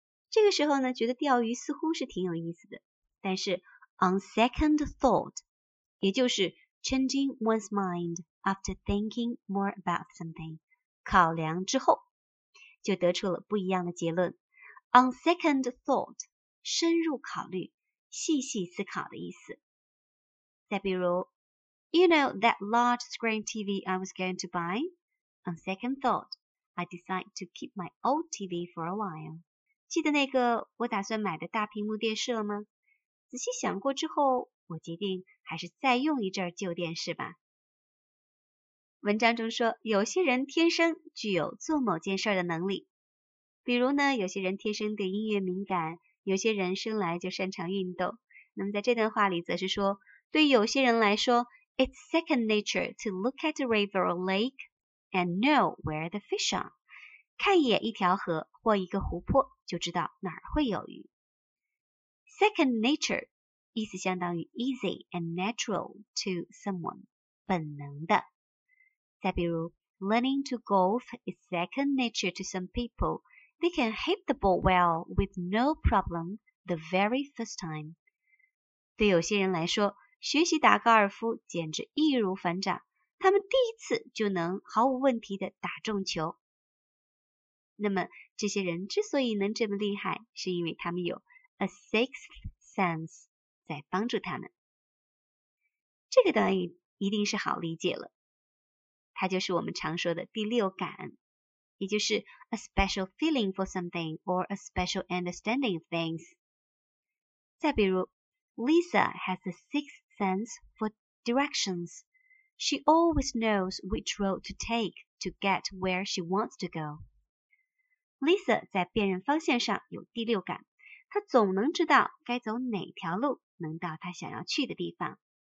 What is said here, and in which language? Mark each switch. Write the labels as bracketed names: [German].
[Chinese] 这个时候呢，觉得钓鱼似乎是挺有意思的，但是 [English] On second thought, [Chinese] 也就是 [English] changing one's mind after thinking more about something, [Chinese] 考量之后就得出了不一样的结论。 [English] On second thought, [Chinese] 深入考虑，细细思考的意思。再比如 [English] You know that large screen TV I was going to buy? On second thought, I decided to keep my old TV for a while. [Chinese] 记得那个我打算买的大屏幕电视了吗？仔细想过之后，我决定还是再用一阵旧电视吧。文章中说，有些人天生具有做某件事的能力，比如呢，有些人天生对音乐敏感，有些人生来就擅长运动。那么在这段话里则是说，对有些人来说， [English] It's second nature to look at a river or lake and know where the fish are. [Chinese] 看一眼一条河或一个湖泊，就知道哪儿会有鱼。 [English] Second nature, [Chinese] 意思相当于 [English] easy and natural to someone, [Chinese] 本能的。再比如 [English] ,learning to golf is second nature to some people. They can hit the ball well with no problem the very first time. [Chinese] 对有些人来说，学习打高尔夫简直易如反掌，他们第一次就能毫无问题地打中球。那么这些人之所以能这么厉害，是因为他们有 [English] A sixth sense [Chinese] 在帮助他们。这个短语一定是好理解了，它就是我们常说的第六感，也就是 [English] a special feeling for something or a special understanding of things. [Chinese] 再比如 [English] Lisa has a sixth sense for directions. She always knows which road to take to get where she wants to go. [Chinese] Lisa 在辨认方向上有第六感，他总能知道该走哪条路能到他想要去的地方。